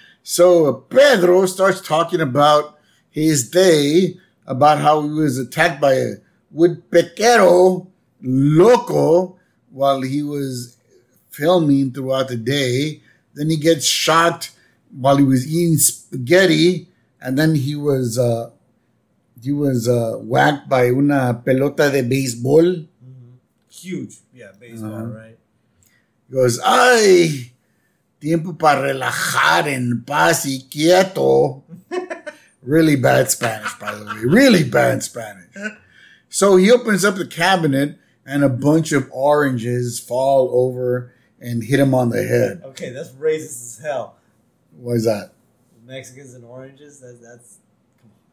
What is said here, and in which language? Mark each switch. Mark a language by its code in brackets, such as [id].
[en] So Pedro starts talking about his day, about how he was attacked by a [es] woodpequero loco [en] while he was filming throughout the day. Then he gets shot while he was eating spaghetti, and then he was whacked by [es] una pelota de baseball. [en] Mm-hmm. Huge, yeah, baseball, uh-huh, right? He goes, [es] ay, tiempo para relajar en paz y quieto. [en] Really bad Spanish, by the way. Really bad Spanish. So he opens up the cabinet, and a bunch of oranges fall over and hit him on the head. Okay, that's racist as hell. What is that? Mexicans and oranges? That's... Come